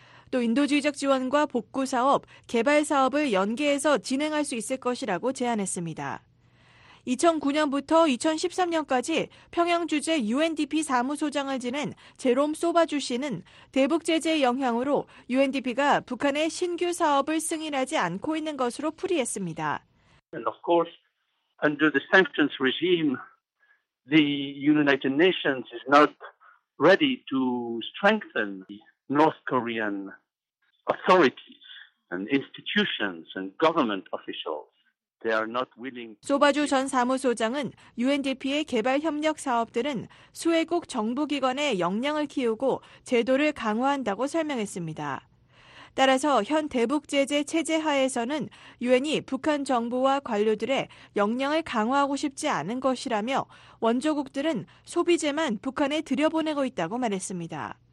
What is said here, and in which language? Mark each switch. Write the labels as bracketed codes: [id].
[ko] 또 인도주의적 지원과 복구 사업, 개발 사업을 연계해서 진행할 수 있을 것이라고 제안했습니다. 2009년부터 2013년까지 평양 주재 UNDP 사무소장을 지낸 제롬 소바주 씨는 대북 제재의 영향으로 UNDP가 북한의 신규 사업을 승인하지 않고 있는 것으로 풀이했습니다. [en] And of course, under the sanctions regime, the United Nations is not ready to strengthen North Korean authorities and institutions and government officials. They are not willing. [ko] 소바주 전 사무소장은 UNDP의 개발 협력 사업들은 수혜국 정부기관의 역량을 키우고 제도를 강화한다고 설명했습니다. 따라서 현 대북 제재 체제 하에서는 유엔이 북한 정부와 관료들의 역량을 강화하고 싶지 않은 것이라며 원조국들은 소비재만 북한에 들여보내고 있다고 말했습니다.